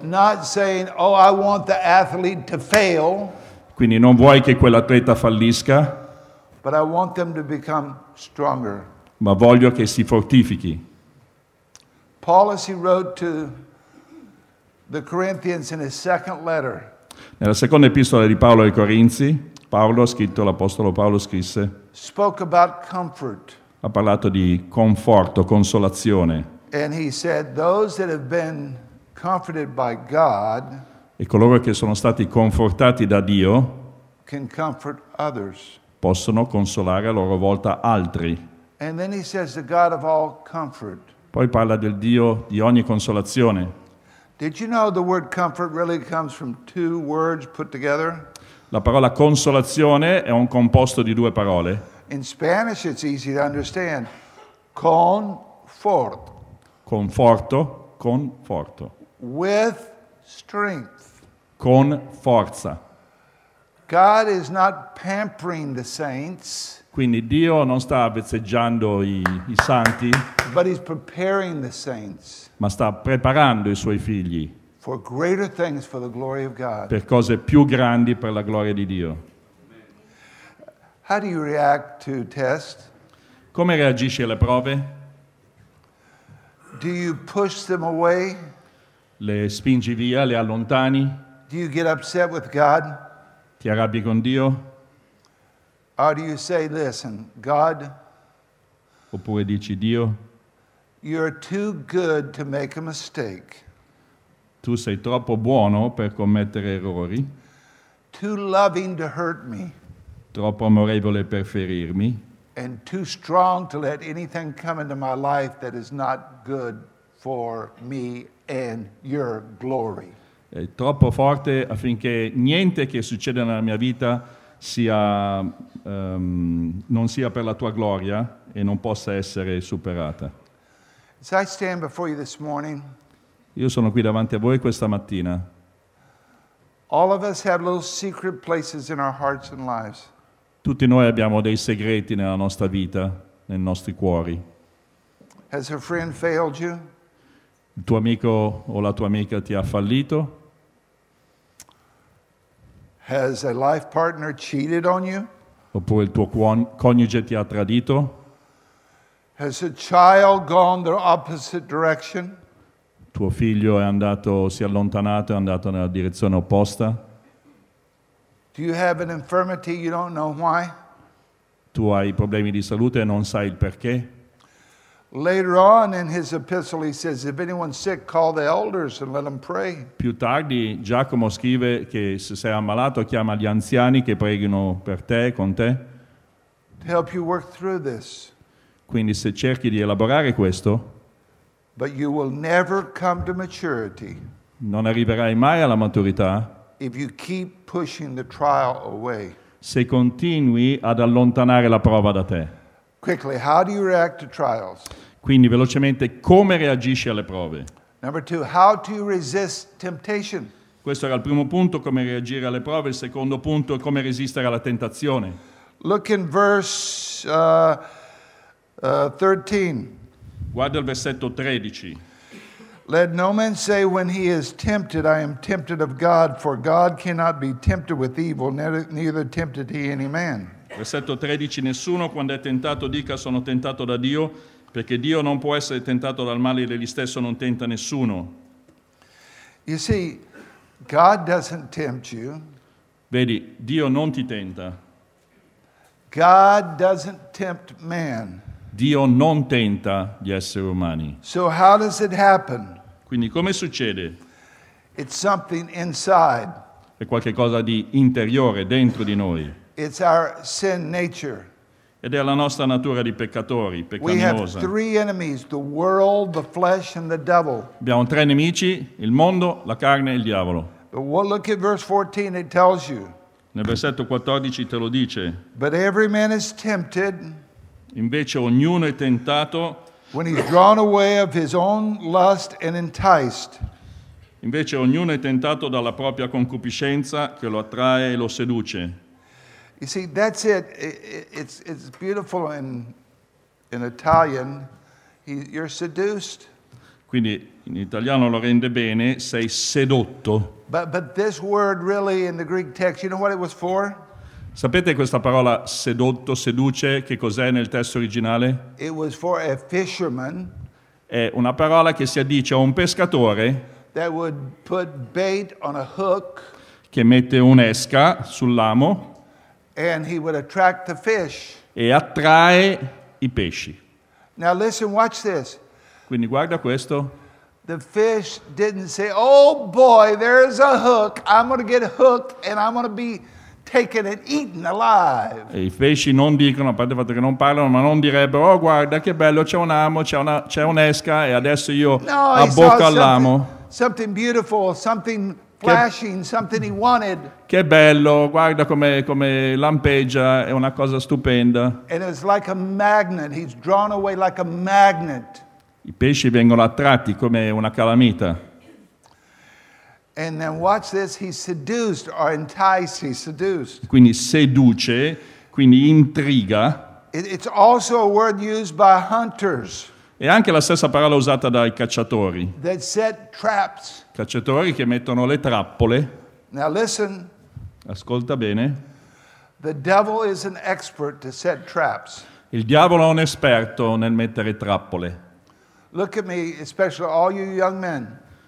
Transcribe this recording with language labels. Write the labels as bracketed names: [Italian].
[English] Not saying, oh, I want the athlete to fail. [Italian] Quindi non vuoi che quell'atleta fallisca. [English] But I want them to become stronger. [Italian] Ma voglio che si fortifichi. [English] Paul, as he wrote to the Corinthians in his second letter. [Italian] Nella seconda epistola di Paolo ai Corinzi, Paolo ha scritto, l'apostolo Paolo scrisse. [English] Spoke about comfort. [Italian] Ha parlato di conforto, consolazione. [English] And he said, those that have been comforted by God. [Italian] E coloro che sono stati confortati da Dio. [English] Can comfort others. [Italian] Possono consolare a loro volta altri. [English] And then he says the God of all comfort. [Italian] Poi parla del Dio di ogni consolazione. [English] Did you know the word comfort really comes from two words put together? [Italian] La parola consolazione è un composto di due parole. [English] In Spanish it's easy to understand. Confort. [Italian] Conforto, conforto. [English] With strength. [Italian] Con forza. [English] God is not pampering the saints. [Italian] Quindi Dio non sta vezzeggiando i santi. [English] But he's preparing the saints. [Italian] Ma sta preparando i suoi figli. [English] For greater things for the glory of God. [Italian] Per cose più grandi per la gloria di Dio. [English] How do you react to tests? [Italian] Come reagisci alle prove? [English] Do you push them away? [Italian] Le spingi via, le allontani? [English] Do you get upset with God? [Italian] Ti arrabbi con Dio? [English] Or do you say, listen, God, [Italian] oppure dici, Dio, [English] you're too good to make a mistake. [Italian] Tu sei troppo buono per commettere errori. [English] Too loving to hurt me. [Italian] Troppo amorevole per ferirmi. [English] And too strong to let anything come into my life that is not good for me and your glory. [Italian] È troppo forte affinché niente che succeda nella mia vita sia non sia per la tua gloria e non possa essere superata. [English] As I stand before you this morning, [Italian] io sono qui davanti a voi questa mattina. [English] All of us have little secret places in our hearts and lives. [Italian] Tutti noi abbiamo dei segreti nella nostra vita, nei nostri cuori. [English] Has a friend failed you? [Italian] Il tuo amico o la tua amica ti ha fallito? [English] Has a life partner cheated on you? [Italian] Oppure il tuo coniuge ti ha tradito? [English] Has a child gone the opposite direction? [Italian] Tuo figlio è andato, si è allontanato, è andato nella direzione opposta? [English] Do you have an infirmity you don't know why? [Italian] Tu hai problemi di salute e non sai il perché? [English] Later on in his epistle he says if anyone's sick call the elders and let them pray. [Italian] Più tardi Giacomo scrive che se sei ammalato chiama gli anziani che preghino per te, con te. [English] To help you work through this. [Italian] Quindi se cerchi di elaborare questo. [English] But you will never come to maturity. [Italian] Non arriverai mai alla maturità. [English] If you keep pushing the trial away. [Italian] Se continui ad allontanare la prova da te. [English] Quickly, how do you react to trials? [Italian] Quindi velocemente come reagisci alle prove? [English] Number two, how to resist temptation? [Italian] Questo era il primo punto, come reagire alle prove. Il secondo punto è come resistere alla tentazione. [English] Look in verse 13. [Italian] Guarda il versetto 13. [English] Let no man say when he is tempted, I am tempted of God, for God cannot be tempted with evil, neither tempted he any man. [Italian] Versetto 13, nessuno quando è tentato dica sono tentato da Dio, perché Dio non può essere tentato dal male ed egli stesso non tenta nessuno. [English] You see, God doesn't tempt you. [Italian] Vedi, Dio non ti tenta. [English] God doesn't tempt man. [Italian] Dio non tenta gli esseri umani. [English] So how does it happen? [Italian] Quindi come succede? [English] It's something inside. [Italian] È qualche cosa di interiore, dentro di noi. [English] It's our sin nature. [Italian] Ed è la nostra natura di peccatori, peccaminosa. [English] We have three enemies, the world, the flesh, and the devil. [Italian] Abbiamo tre nemici, il mondo, la carne e il diavolo. [English] But we'll look at verse 14, it tells you. [Italian] Nel versetto 14 te lo dice. [English] But every man is tempted. [Italian] Invece ognuno è tentato. [English] When he's drawn away of his own lust and enticed. [Italian] Invece ognuno è tentato dalla propria concupiscenza che lo attrae e lo seduce. [English] You see, that's it. It's beautiful in Italian. You're seduced. [Italian] Quindi in italiano lo rende bene. Sei sedotto. [English] But this word really in the Greek text, you know what it was for? [Italian] Sapete questa parola sedotto, seduce, che cos'è nel testo originale? [English] It was for a fisherman. [Italian] È una parola che si addice a un pescatore. [English] That would put bait on a hook. [Italian] Che mette un'esca sull'amo. [English] And he would attract the fish. [Italian] E attrae i pesci. [English] Now listen, watch this. [Italian] Quindi guarda questo. [English] The fish didn't say, oh boy, there's a hook. I'm going to get hooked and I'm going to be taken and eaten alive. [Italian] E i pesci non dicono, a parte il fatto che non parlano, ma non direbbero: oh, guarda che bello, c'è un amo, c'è un'esca, e adesso io abbocco all'amo. [English] Something beautiful, something flashing, something he wanted. [Italian] Che bello, guarda come lampeggia, è una cosa stupenda. [English] And it's like a magnet, he's drawn away like a magnet. [Italian] I pesci vengono attratti come una calamita. [English] And then watch this, he's seduced or enticed, he's seduced. [Italian] Quindi seduce, quindi intriga. [English] It's also a word used by hunters. [Italian] È anche la stessa parola usata dai cacciatori. [English] That set traps. [Italian] Cacciatori che mettono le trappole. [English] Now listen. [Italian] Ascolta bene. [English] The devil is an expert to set traps. [Italian] Il diavolo è un esperto nel mettere trappole. [English] Look at me, especially all you young men.